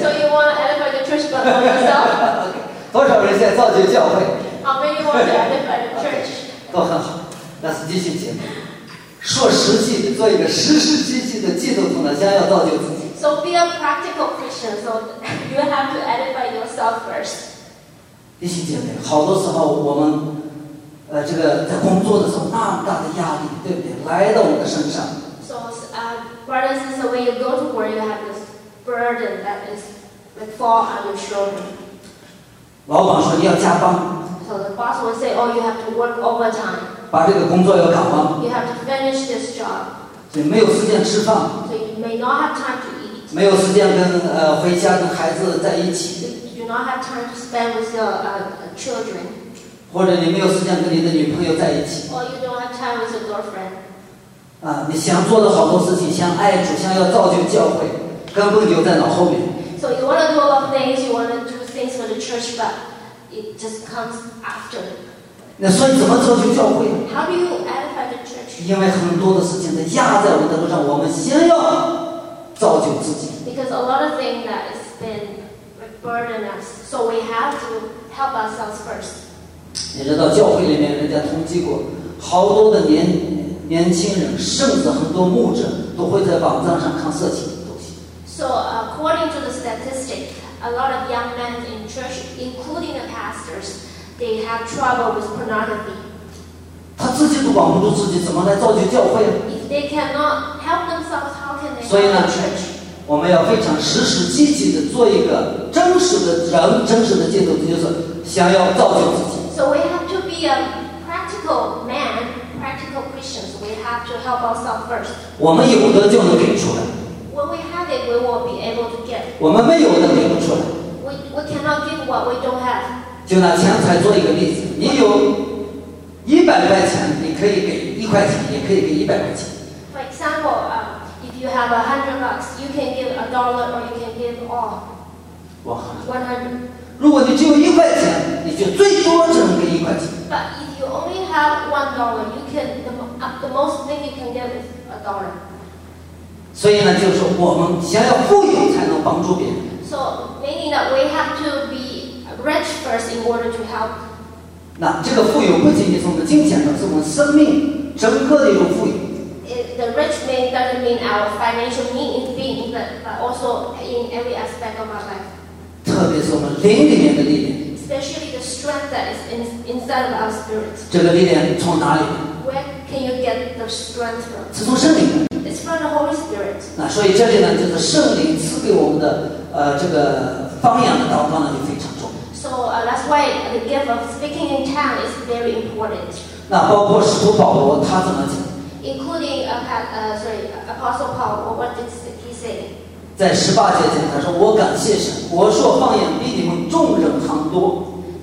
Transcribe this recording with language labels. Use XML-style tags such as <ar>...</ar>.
<en>So you want to edify the church, but not yourself?</en> <zh>多少人先造就教会？</zh> <en>How many want to edify the church?</en> <zh>都很好，那是弟兄姐妹。说实际，做一个实实际际的基督徒呢，先要造就自己。</zh> <en>So be a practical Christian. So you have to edify yourself first.</en> <zh>弟兄姐妹，好多时候我们，这个在工作的时候那么大的压力，对不对？来到我们的身上。</zh> <en>So, brothers and sisters, when you go to work, you have this burden that is that fall on your shoulder.</en> <zh>老板说你要加班。</zh> <en>So the boss will say, "Oh, you have to work overtime." You have to finish this job.</en> <zh>所以没有时间吃饭。</zh> <en>So you may not have time to eat.</en> <zh>没有时间跟回家跟孩子在一起。</zh> <en>You do not have time to spend with your children.</en> <zh>或者你没有时间跟你的女朋友在一起。</zh> <en>Or you don't have time with your girlfriend.</en> <zh>你想做的好多事情，想爱主，想要造就教会，根本留在脑后面。</zh> <en>So you want to do a lot of things. You want to do things for the church, but. It just comes after.</en> <zh>那所以怎么造就教会</zh> <en>？How do you edify the church?</en> <zh>因为很多的事情在压在我们头上，我们先要造就自己。</zh> <en>Because a lot of things that has been burdening us, so we have to help ourselves first.</en> <zh>你知道教会里面人家统计过，好多的年年轻人甚至很多牧者都会在网站上看色情的东西。</zh> <en>So according to the statistic, a lot of young men in church, including the pastors, they have trouble with pornography.</en> <zh>他自己都管不住自己，怎么来造就教会？</zh> <en>If they cannot help themselves, how can they?</en> <zh>所以呢，我们要非常实实际际的做一个真实的人，真实的基督徒，就是想要造就自己。</zh> <en>So we have to be a practical man, practical Christians. We have to help ourselves first.</en> <zh>我们有的就能给出来。</zh> <en>When we have it, we will be able to get.</en> <zh>我们没有的给不出来。</zh> <en>We cannot give what we don't have.</en> <zh>就拿钱财做一个例子，你有一百块钱，你可以给一块钱，也可以给一百块钱。</zh> <en>For example, if you have $100, you can give a dollar or you can give all.</en> <zh>哇。100。如果你只有一块钱，你就最多只能给一块钱。</zh> <en>But if you only have $1, you can the most thing you can get is a dollar.</en> <zh>所以呢，就是我们想要富有才能帮助别人。</zh> <en>So meaning that we have to be rich first in order to help.</en> <zh>那这个富有不仅仅从的金钱上，是我们生命整个的一种富有。</zh> <en>The rich man doesn't mean our financial need is being, but also in every aspect of our life.</en> <zh>特别是我们灵里面的力量，</zh> <en>especially the strength that is inside of our spirit.</en> <zh>这个力量从哪里？</zh> <en>Where can you get the strength from?</en> <zh>是从圣灵。</zh> <en>It's from the Holy Spirit.</en> <zh>那所以这里呢，就是圣灵赐给我们的这个方言的祷告呢，就非常重要。</zh> <en>So that's why the gift of speaking in tongues is very important.</en> <zh>那包括使徒保罗他怎么讲？</zh> <en>Including Apostle Paul, what did he say?</en> <zh>在十八节前，他说：“我感谢神，我说方言比你们众人还多。”</zh>